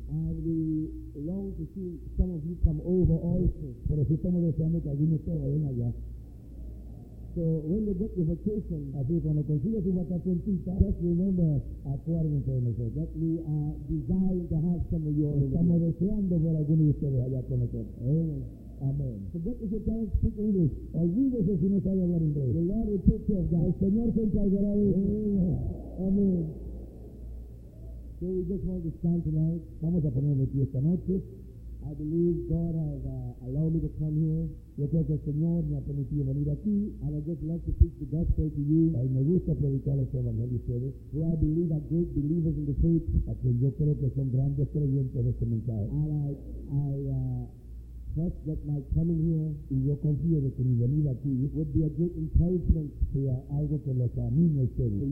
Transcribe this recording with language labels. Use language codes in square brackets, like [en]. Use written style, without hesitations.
[en] And we long to see some of you come over also. [es] Pero si estamos deseando que alguien esté vayan allá. [en] So when you get your vacation, [es] así cuando consigas tu vacacioncita, [en] just remember, [es] acuérdense de nosotros, [en] that we are desiring to have some of you. [es] Estamos deseando ver algunos de ustedes allá con nosotros. Amén. [en] Forget if you can't speak English. [es] Olvídese si no sabe hablar inglés. [en] The Lord will take care of that. [es] El Señor se encargará de eso. Amén. [en] So we just want to stand tonight. [es] Vamos a ponernos aquí esta noche. [en] I believe God has allowed me to come here. [es] Yo creo que el Señor me ha permitido venir aquí. [en] And I just love to preach the gospel to you. [es] Y me gusta predicar los evangelios a ustedes. [en] Who I believe are great believers in the faith. [es] A quien yo creo que son grandes creyentes de este mensaje. [en] And I trust that my coming here. [es] Y yo confío de que mi venir aquí. [en] Would be a great encouragement. [es] Sea algo que los anime a ustedes.